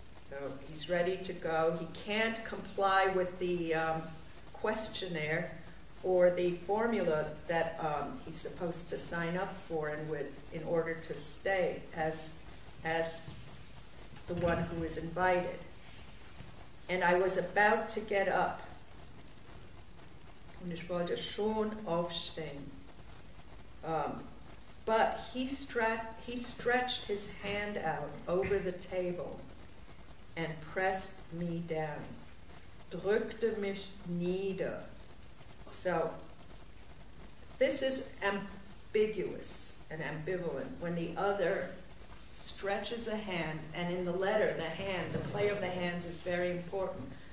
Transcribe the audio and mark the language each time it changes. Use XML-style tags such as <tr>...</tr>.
<en>So he's ready to go. He can't comply with the questionnaire or the formulas that he's supposed to sign up for and with in order to stay as the one who is invited. And I was about to get up.</en> <de>Und ich wollte schon aufstehen.</de> <en>But he stretched his hand out over the table and pressed me down.</en> <de>Drückte mich nieder.</de> <en>So this is ambiguous and ambivalent when the other stretches a hand, and in the letter, the hand, the play of the hand is very important.</en>